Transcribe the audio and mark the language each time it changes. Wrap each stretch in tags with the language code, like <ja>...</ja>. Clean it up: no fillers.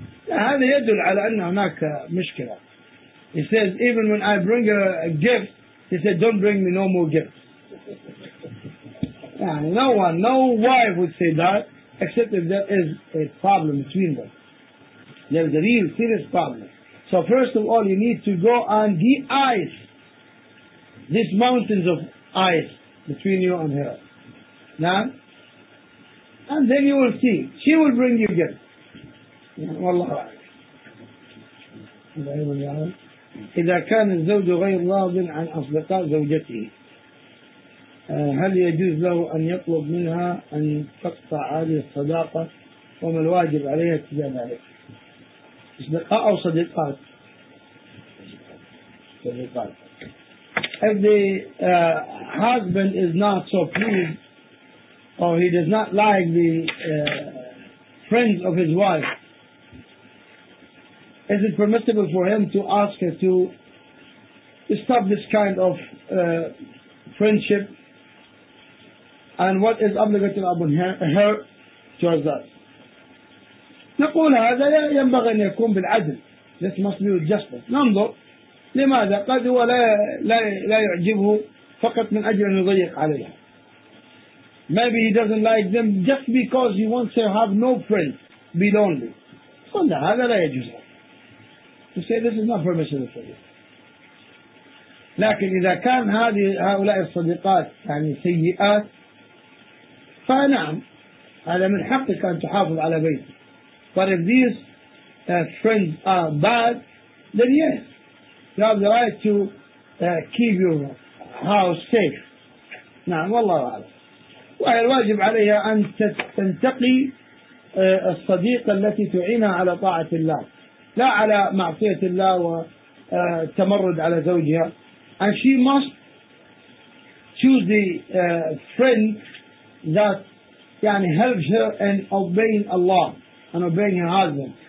<ar>هذا يدل على أن هناك مشكلة.</ar> <en>He says, even when I bring her a gift, he said, don't bring me no more gifts. No wife would say that, except if there is a problem between them. There is a real serious problem. So first of all, you need to go and de-ice these mountains of ice between you and her. Now, and then you will see. She will bring you gifts.</en> <ar>والله أعلم. إذا كان الزوج غير راض عن أصدقاء زوجته هل يجوز له أن يطلب منها أن تقطع هذه الصداقة وما الواجب عليها تجاه ذلك؟ أصدقاء أو صديقات؟ صديقات.</ar> <en>If the husband is not so pleased, or he does not like the friends of his wife, is it permissible for him to ask her to stop this kind of friendship? And what is obligated upon her towards us?</en> <ar>نقول هذا ينبغي أن يكون بالعدل.</ar> <en>This must be with justice.</en> <ar>ننظر لماذا قد هو لا يعجبه فقط من أجل أن يضيق عليها.</ar> <en>Maybe he doesn't like them just because he wants to have no friends, be lonely. So now, how can I use that? To say this is not permissible for you.</en> <ar>لكن إذا كان هؤلاء الصديقات يعني سيئات فنعم هذا من حقك أن تحافظ على بيتك.</ar> <en>But if these friends are bad, then yes, you have the right to keep your house safe.</en> <ar>نعم والله أعلم. وهي الواجب عليها أن تنتقي الصديقة التي تعينها على طاعة الله لا على معصية الله وتمرد على زوجها.</ar> <en>And she must choose the friend that يعني, helps her in obeying Allah and obeying her husband.</en>